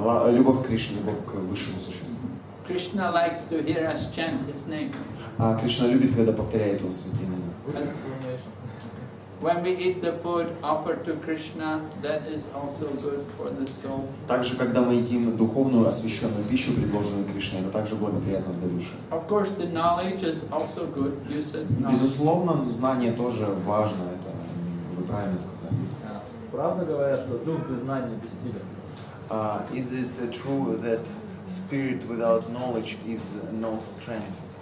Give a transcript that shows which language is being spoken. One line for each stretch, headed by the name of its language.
Russian: Любовь к Кришне, любовь к высшему существу.
English: Krishna likes to hear us chant his name.
Russian: Кришна любит, когда повторяет его святое имя.
English: When we eat the food offered to Krishna, that is also good for the soul.
Russian: Также, когда мы едим духовную освященную пищу, предложенную Кришной, это также благоприятно для души.
English: Of course, the knowledge is also good. You said knowledge.
Russian: Безусловно, знание тоже важно. Это вы правильно сказали. Правда говоря, что дух без знания бессилен.
English: Is it true that spirit without knowledge is no strength?